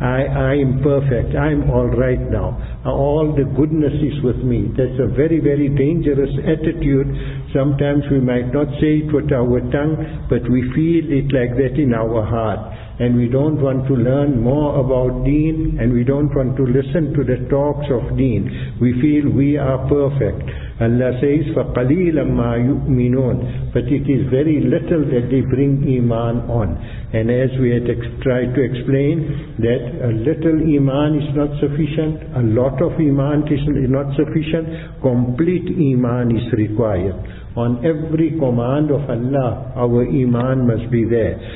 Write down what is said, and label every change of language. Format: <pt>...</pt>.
<en>I am perfect. I am all right now. All the goodness is with me. That's a very, very dangerous attitude. Sometimes we might not say it with our tongue, but we feel it like that in our heart. And we don't want to learn more about deen, and we don't want to listen to the talks of deen. We feel we are perfect. Allah says,</en> <ar>فَقَلِيلًا مَا يُؤْمِنُونَ.</ar> <en>But it is very little that they bring iman on. And as we had tried to explain, that a little iman is not sufficient, a lot of iman is not sufficient, complete iman is required. On every command of Allah, our iman must be there.</en>